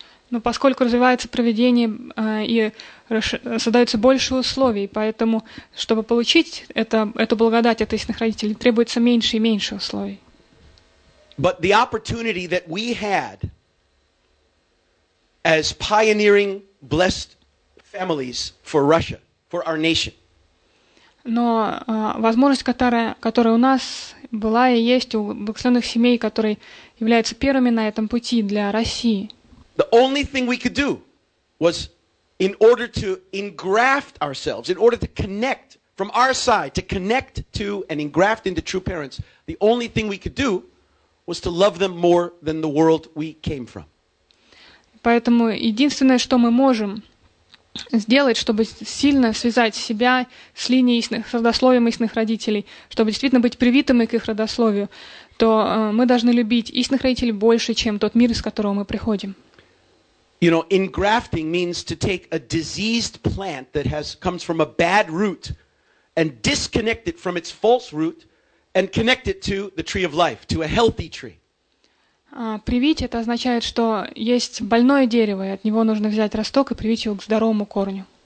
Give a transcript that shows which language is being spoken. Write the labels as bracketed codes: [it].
[ru] Но поскольку развивается провидение и создаются больше условий, поэтому, чтобы получить эту благодать от истинных родителей, требуется меньше и меньше условий. [en] But the opportunity that we had as pioneering blessed families for Russia, for our nation. [ru] Но возможность, которая у нас была и есть у благословенных семей, которые являются первыми на этом пути для России. [en] The only thing we could do was in order to engraft ourselves, in order to connect from our side, to connect to and engraft into true parents, the only thing we could do was to love them more than the world we came from. [ru] Поэтому единственное, что мы можем сделать, чтобы сильно связать себя с линией истинных, с родословием истинных родителей, чтобы действительно быть привитыми к их родословию, то мы должны любить истинных родителей больше, чем тот мир, из которого мы приходим. [en] You know, engrafting means to take a diseased plant that comes from a bad root and disconnect it from its false root and connect it to the tree of life, to a healthy tree. [ru] Привить — это означает, что есть больное дерево, и от него нужно взять росток и привить его к здоровому корню.